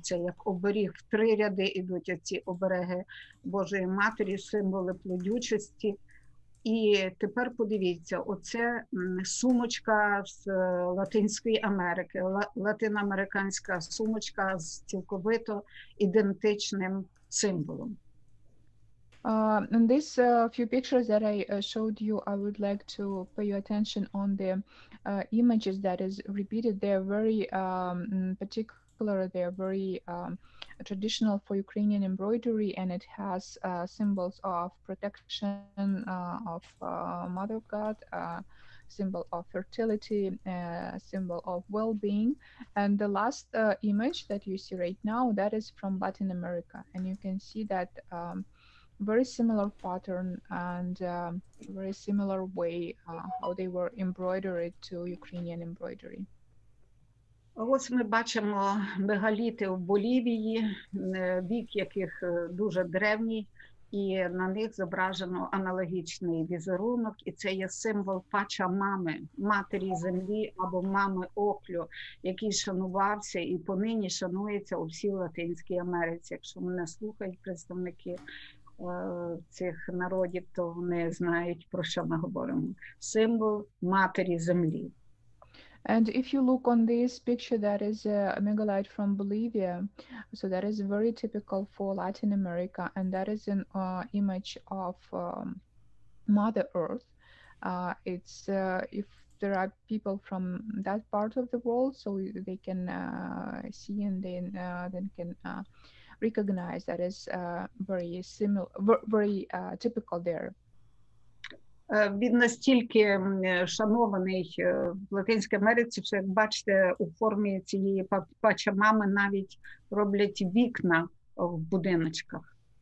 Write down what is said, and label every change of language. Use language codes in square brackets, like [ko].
[uk] Це як оберіг, в три ряди ідуть ці обереги Божої Матері, символи плодючості. І тепер подивіться, оце сумочка з Латинської Америки, латиноамериканська сумочка з цілковито ідентичним символом. [en] In this few pictures that I showed you, I would like to pay your attention on the images that is repeated. They are very particular, they are very traditional for Ukrainian embroidery, and it has symbols of protection, of Mother of God, symbol of fertility, symbol of well-being. And the last image that you see right now, that is from Latin America, and you can see that very similar pattern and very similar way how they were embroidered to Ukrainian embroidery. [uk] Ось ми бачимо мегаліти в Болівії, вік яких дуже древній, і на них зображено аналогічний візерунок, і це є символ Пачамами, матері землі або мами Оклю, який шанувався і понині шанується у всій Латинській Америці. Якщо мене слухають представники цих народів, то вони знають, про що ми говоримо. Символ матері землі. [en] And if you look on this picture, that is a megalite from Bolivia. So that is very typical for Latin America. And that is an image of Mother Earth. It's if there are people from that part of the world, so they can see and then can recognize that is very similar, very typical there. [uk] Він настільки шанований в Латинській Америці, що, як бачите, у формі цієї пачамами навіть роблять вікна в будиночках.